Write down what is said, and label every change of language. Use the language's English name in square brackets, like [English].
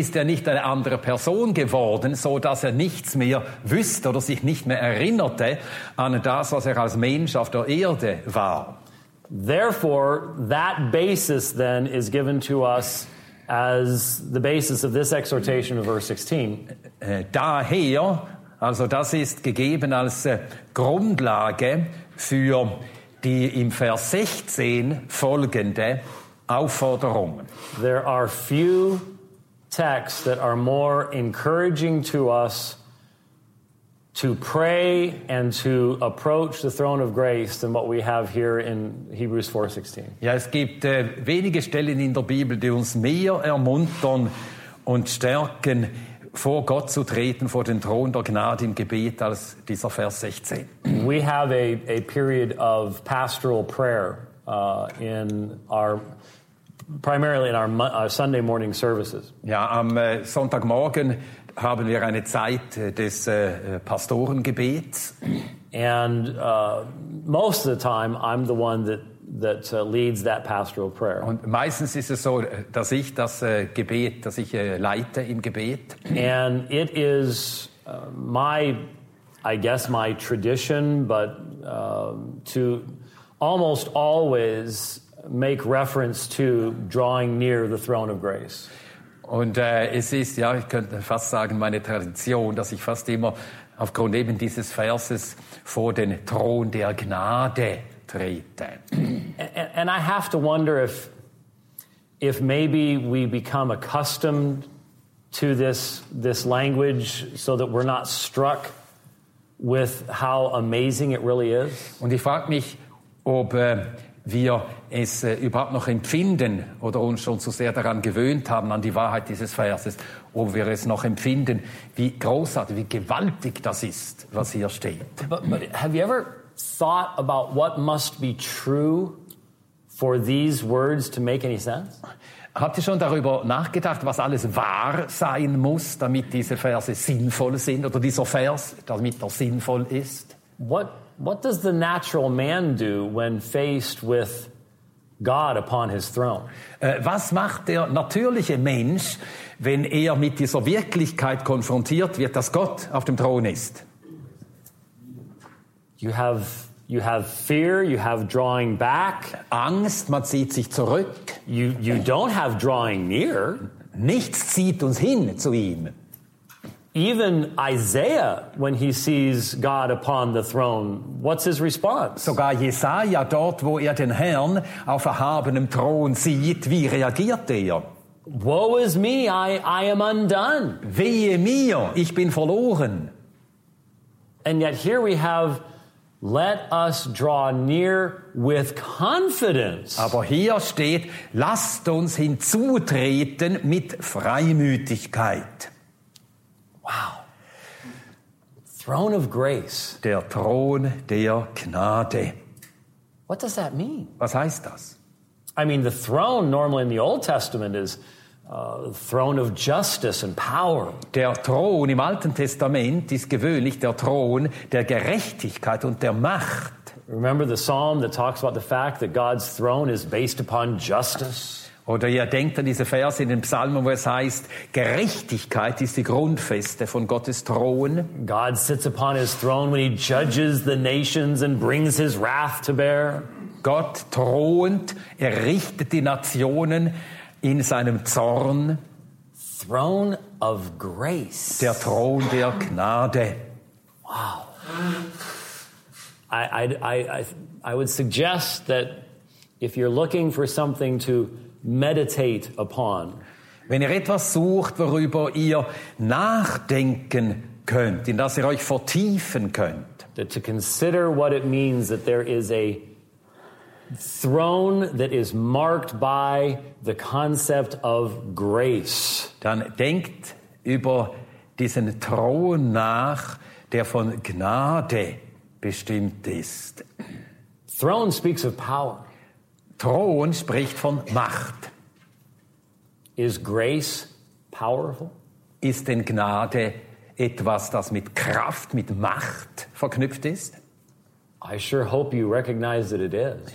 [German] Ist er nicht eine andere Person geworden, so dass er nichts mehr wüsste oder sich nicht mehr erinnerte an das, was er als Mensch auf der Erde war? [English] Therefore, that basis then is given to us as the basis of this exhortation of verse 16. [German] Daher, also das ist gegeben als Grundlage für die im Vers 16 folgende Aufforderung. [English] There are few texts that are more encouraging to us to pray and to approach the throne of grace than what we have here in Hebrews 4:16. [German] Ja, es gibt wenige Stellen in der Bibel, die uns mehr ermuntern und stärken, vor Gott zu treten, vor den Thron der Gnade im Gebet, als dieser Vers 16. [English] We have a period of pastoral prayer in our, primarily in our Sunday morning services. [German] Ja, am Sonntagmorgen haben wir eine Zeit des Pastorengebets. [English] And most of the time I'm the one that leads that pastoral prayer. [German] Und meistens ist es so, dass ich das Gebet, dass ich leite im Gebet. [English] And it is my tradition, but to almost always make reference to drawing near the throne of grace. [German] Und es ist, ja, ich könnte fast sagen, meine Tradition, dass ich fast immer aufgrund eben dieses Verses vor den Thron der Gnade trete. [English] And I have to wonder if maybe we become accustomed to this language so that we're not struck with how amazing it really is. [German] Und ich frage mich, ob wir es überhaupt noch empfinden oder uns schon zu sehr daran gewöhnt haben, an die Wahrheit dieses Verses, ob wir es noch empfinden, wie großartig, wie gewaltig das ist, was hier steht. [English] But have you ever thought about what must be true for these words to make any sense? [German] Habt ihr schon darüber nachgedacht, was alles wahr sein muss, damit diese Verse sinnvoll sind oder dieser Vers, damit er sinnvoll ist? [English] What does the natural man do when faced with God upon his throne? [German] Was macht der natürliche Mensch, wenn er mit dieser Wirklichkeit konfrontiert wird, dass Gott auf dem Thron ist? [English] You have fear, you have drawing back. [German] Angst, man zieht sich zurück. [English] You don't have drawing near. [German] Nichts zieht uns hin zu ihm. [English] Even Isaiah, when he sees God upon the throne, what's his response? [German] Sogar Jesaja, dort wo er den Herrn auf erhabenem Thron sieht, wie reagiert er? [English] Woe is me, I am undone. [German] Wehe mir, ich bin verloren. [English] And yet here we have, let us draw near with confidence. [German] Aber hier steht, lasst uns hinzutreten mit Freimütigkeit. [English] Wow. Throne of grace. [German] Der Thron der Gnade. [English] What does that mean? [German] Was heißt das? [English] I mean, the throne normally in the Old Testament is throne of justice and power. [German] Der Thron im Alten Testament ist gewöhnlich der Thron der Gerechtigkeit und der Macht. [English] Remember the psalm that talks about the fact that God's throne is based upon justice? [German] Oder ihr denkt an diese Verse in den Psalmen, wo es heißt, Gerechtigkeit ist die Grundfeste von Gottes Thron. [English] God sits upon his throne when he judges the nations and brings his wrath to bear. [German] Gott thront, er richtet die Nationen in seinem Zorn. [English] Throne of grace. [German] Der Thron der Gnade. [English] Wow. I would suggest that if you're looking for something to meditate upon, [German] wenn ihr etwas sucht, worüber ihr nachdenken könnt, in das ihr euch vertiefen könnt, [English] that to consider what it means that there is a throne that is marked by the concept of grace, [German] dann denkt über diesen Thron nach, der von Gnade bestimmt ist. [English] Throne speaks of power. [German] Thron spricht von Macht. [English] Is grace powerful? [German] Ist denn Gnade etwas, das mit Kraft, mit Macht verknüpft ist? [English] I sure hope you recognize that it is.